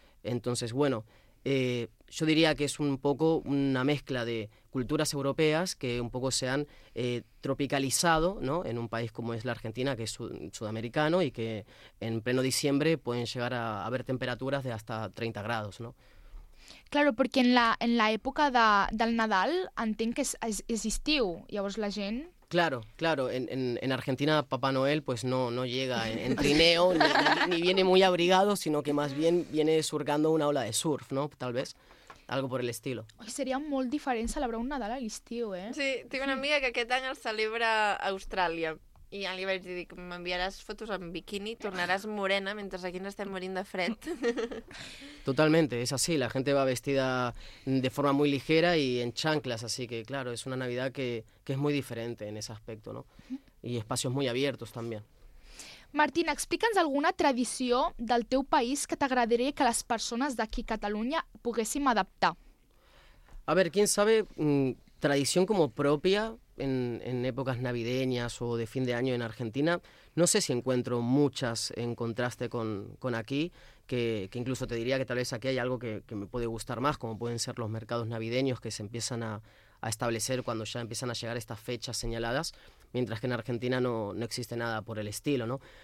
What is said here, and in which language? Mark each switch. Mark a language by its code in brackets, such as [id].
[es] Entonces, bueno, yo diría que es un poco una mezcla de culturas europeas que un poco se han tropicalizado, ¿no?, en un país como es la Argentina, que es sudamericano y que en pleno diciembre pueden llegar a haber temperaturas de hasta 30 grados, ¿no? [ca] Claro, perquè en la època del Nadal entenc que és estiu, llavors la gent... [es] Claro, claro. En Argentina Papá Noel pues no llega en trineo, ni viene muy abrigado, sino que más bien viene surcando una ola de surf, ¿no? Tal vez, algo por el estilo. [ca] Ay, seria molt diferent celebrar un Nadal a l'estiu, eh? Sí, tinc una amiga que aquest any el celebra a Austràlia. I ja li vaig dir que m'enviaràs fotos en biquini, tornaràs morena mentre aquí no estem morint de fred. [es] Totalmente, es así. La gente va vestida de forma muy ligera y en chanclas, así que claro, es una Navidad que es muy diferente en ese aspecto, ¿no? Y espacios muy abiertos también. [ca] Martín, explica'ns alguna tradició del teu país que t'agradaria que les persones d'aquí a Catalunya poguéssim adaptar. [es] A ver, ¿quién sabe? Tradición como propia... En épocas navideñas o de fin de año en Argentina, no sé si encuentro muchas en contraste con aquí, que incluso te diría que tal vez aquí hay algo que me puede gustar más, como pueden ser los mercados navideños que se empiezan a establecer cuando ya empiezan a llegar estas fechas señaladas, mientras que en Argentina no existe nada por el estilo, ¿no?